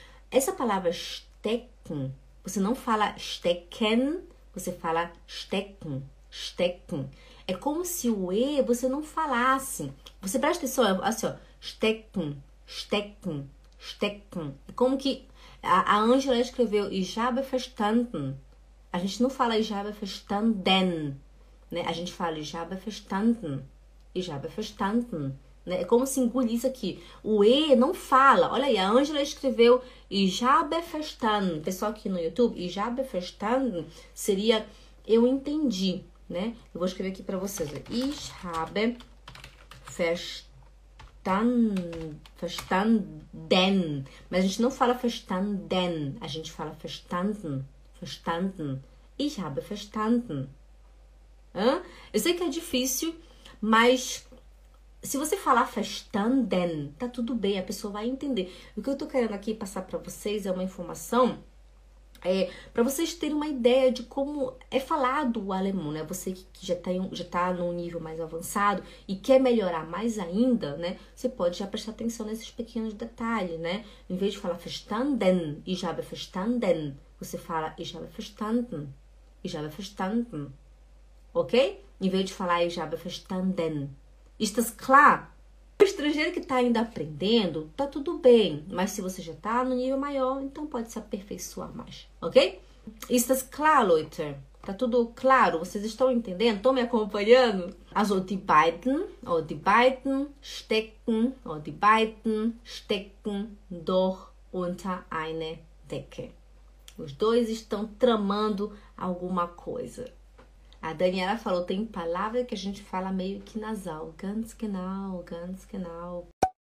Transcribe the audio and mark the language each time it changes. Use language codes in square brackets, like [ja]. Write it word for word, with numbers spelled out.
[pt] Essa palavra stecken, você não fala stecken, você fala stecken, stecken. É como se o E você não falasse. Você presta atenção, assim, ó, stecken, stecken, stecken. É como que a Ângela escreveu, [de] ich habe verstanden. [pt] A gente não fala [de] ich habe verstanden. [pt] Né? A gente fala, [de] ich habe verstanden, ich habe verstanden, [pt] né? É como se engolisse aqui. O E não fala. Olha aí, a Ângela escreveu, [de] ich habe verstanden. [pt] Pessoal aqui no YouTube, [de] ich habe verstanden [pt] seria eu entendi, né? Eu vou escrever aqui para vocês. [de] Ich habe verstanden, verstanden. [pt] Mas a gente não fala verstanden, a gente fala verstanden, verstanden. [de] Ich habe verstanden. [pt] Eu sei que é difícil, mas se você falar verstanden, tá tudo bem, a pessoa vai entender. O que eu tô querendo aqui passar pra vocês é uma informação é, pra vocês terem uma ideia de como é falado o alemão, né? Você que já tá, em, já tá num nível mais avançado e quer melhorar mais ainda, né? Você pode já prestar atenção nesses pequenos detalhes, né? Em vez de falar verstanden, [de] ich habe verstanden, [pt] você fala [de] ich habe verstanden, ich habe verstanden. [pt] Ok? Em vez de falar, [de] ich habe verstanden. [pt] Estás claro? O estrangeiro que está ainda aprendendo, tá tudo bem. Mas se você já está no nível maior, então pode se aperfeiçoar mais. Ok? Estás [de] klar, Leute? [pt] Tá tudo claro? Vocês estão entendendo? Estão me acompanhando? [de] Also, die beiden, ou die beiden stecken, ou die beiden stecken doch unter eine Decke. [pt] Os dois estão tramando alguma coisa. A Daniela falou, tem palavra que a gente fala meio que nasal. [de] Ganz genau, ganz genau.